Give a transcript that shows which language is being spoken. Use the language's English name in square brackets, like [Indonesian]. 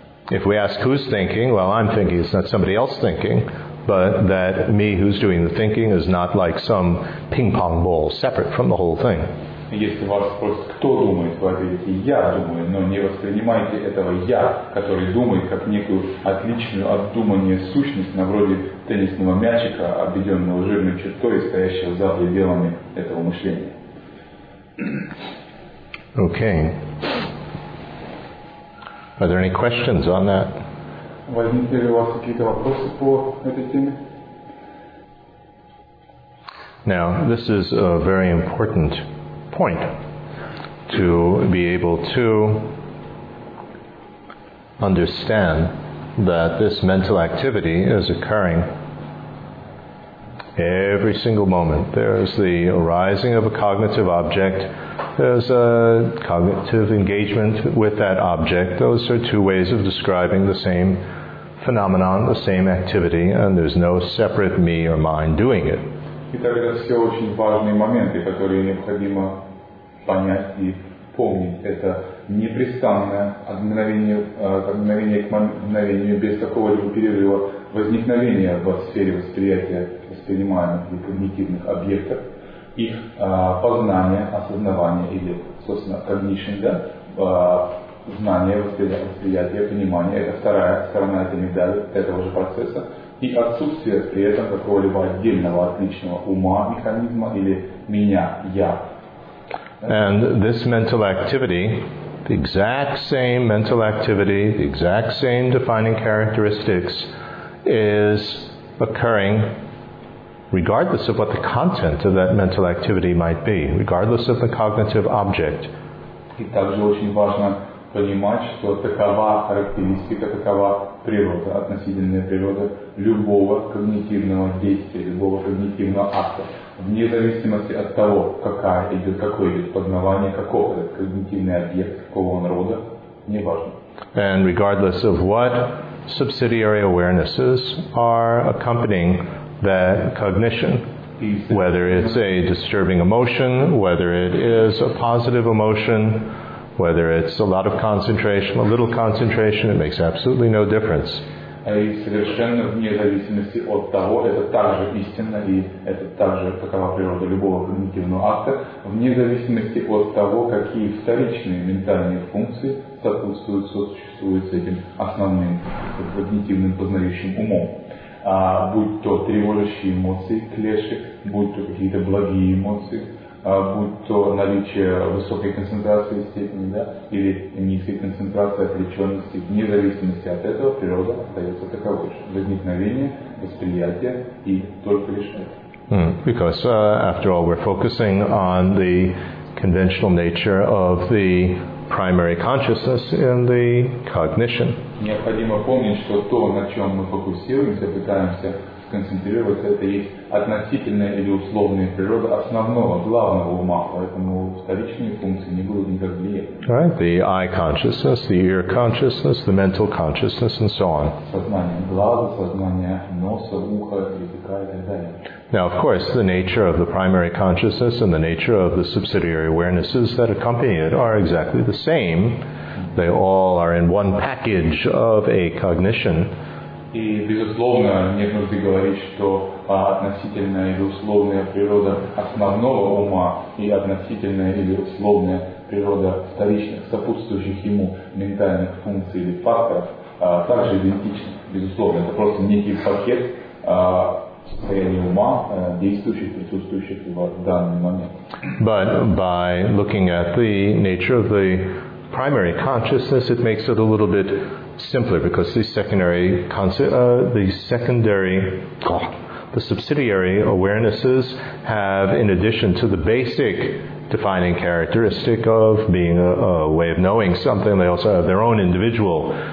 [English] If we ask who's thinking, well, I'm thinking, it's not somebody else thinking, but that me who's doing the thinking is not like some ping-pong ball separate from the whole thing. [Russian] Если вас спросят, кто думает, вы ответите, я думаю, но не воспринимайте этого я, который думает, как некую отличную от думания сущность, на вроде теннисного мячика, обведенного жирной чертой, стоящего за пределами этого мышления. [English] Okay. Are there any questions on that? [Russian] Возникли ли у вас какие-то вопросы по этой теме? [English] Now, this is a very important point to be able to understand that this mental activity is occurring every single moment. There's the arising of a cognitive object, there's a cognitive engagement with that object. Those are two ways of describing the same phenomenon, the same activity, and there's no separate me or mind doing it. [Russian] Итак, это все очень важные моменты, которые необходимо понять и помнить. Это непрестанное от мгновения к мгновению без какого-либо перерыва возникновение в сфере восприятия воспринимаемых и когнитивных объектов, их познание, осознавание или, собственно, cognition, да, знание, восприятие, понимание. Это вторая сторона этой медали, этого же процесса. И отсутствие при этом какого-либо отдельного отличного ума, механизма или меня, я. [English] And this mental activity, the exact same mental activity, the exact same defining characteristics, is occurring regardless of what the content of that mental activity might be, regardless of the cognitive object. [Russian] И также очень важно понимать, что такова характеристика, такова природа, относительная природа любого когнитивного действия, любого когнитивного акта. Вне зависимости от того, какое идет познавание, каков этот когнитивный объект, какого он рода, не важно. [English] And regardless of what subsidiary awarenesses are accompanying that cognition, whether it's a disturbing emotion, whether it is a positive emotion, whether it's a lot of concentration, a little concentration, it makes absolutely no difference. [Russian] И совершенно вне зависимости от того, это также истинно, и это также такова природа любого когнитивного акта, вне зависимости от того, какие вторичные ментальные функции сосуществуют с этим основным когнитивным познающим умом. Будь то тревожащие эмоции, клеши, будь то какие-то благие эмоции, будь то наличие высокой концентрации степени, да, или низкой концентрации отвлеченности, вне зависимости от этого природа остается таковой же. Возникновение, восприятие и только лишь это. [English] Because after all, we're focusing on the conventional nature of the primary consciousness in the cognition. [Russian] Необходимо помнить, что то, на чем мы фокусируемся, пытаемся концентрироваться, это есть относительная или условная природа основного, главного ума, поэтому вторичные функции не будут никак влиять. [English] Right, the eye consciousness, the ear consciousness, the mental consciousness, and so on. [Russian] Сознание глаза, сознание носа, уха, языка и так далее. [English] Now, of course, the nature of the primary consciousness and the nature of the subsidiary awarenesses that accompany it are exactly the same. They all are in one package of a cognition. [Russian] И, безусловно, нет нужды говорить, что относительная или условная природа основного ума и относительная или условная природа вторичных, сопутствующих ему ментальных функций или факторов также идентичны, безусловно. Это просто некий пакет состояния ума, действующих, присутствующих в данный момент. [English] But by looking at the nature of the primary consciousness, it makes it a little bit simpler, because the subsidiary awarenesses have, in addition to the basic defining characteristic of being a way of knowing something, they also have their own individual